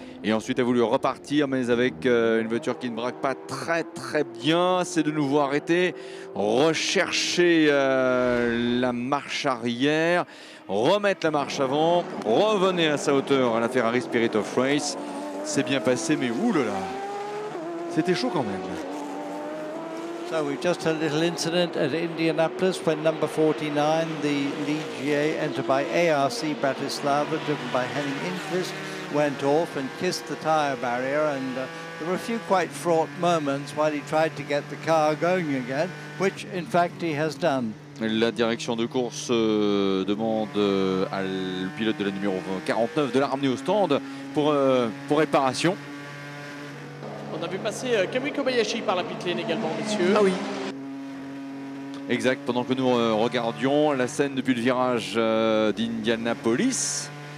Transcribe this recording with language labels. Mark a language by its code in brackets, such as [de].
[fr] et ensuite a voulu repartir, mais avec une voiture qui ne braque pas très très bien, c'est de nouveau arrêté, rechercher la marche arrière, remettre la marche avant, revenir à sa hauteur à la Ferrari Spirit of Race. C'est bien passé, mais oulala, c'était chaud quand même. [en] So we've just had a little incident at Indianapolis when number 49, the lead GA entered by ARC Bratislava, driven by Henning Inquist, went off and kissed the tire barrier. And there were a few quite fraught moments while he tried to get the car going again, which in fact he has done. [fr] La direction de course demande au pilote de la numéro 49 de la ramener au stand pour réparation. On a vu passer Kamui Kobayashi par la pitlane également, messieurs. Ah oui. Exact, pendant que nous regardions la scène depuis le virage d'Indianapolis.